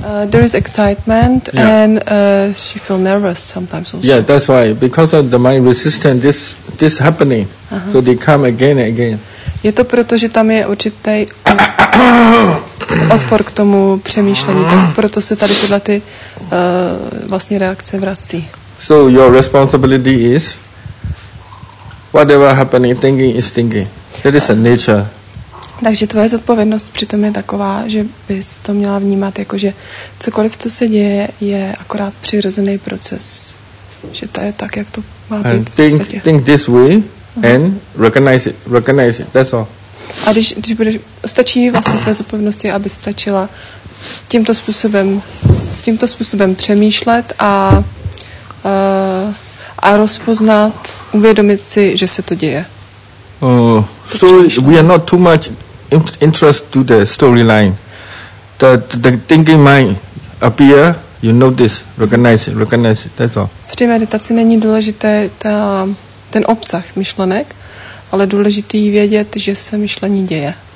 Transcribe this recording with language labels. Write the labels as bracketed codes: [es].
[en] There is excitement, yeah. And she feels nervous sometimes also. Yeah, that's why. Because of the mind resistance, this happening. Uh-huh. So they come again and again. [cs] Je to proto, že tam je určitý odpor k tomu přemýšlení. Tak proto se tady tyhle ty vlastně reakce vrací. [en] So your responsibility is whatever happening, thinking is thinking. That is a nature. [cs] Takže tvoje zodpovědnost přitom je taková, že bys to měla vnímat jako, že cokoliv, co se děje, je akorát přirozený proces. Že to je tak, jak to má být. [en] Think this way and recognize it, that's all. [cs] A když budeš, stačí vlastně tvoje zodpovědnost, aby stačila tímto způsobem přemýšlet a rozpoznat, uvědomit si, že se to děje. [en] So we are not too much interest to the storyline. The thinking mind appear, you notice, recognize it, that's all. [cs] V té meditaci není důležité ten obsah myšlenek, ale důležitý vědět, že se myšlení děje.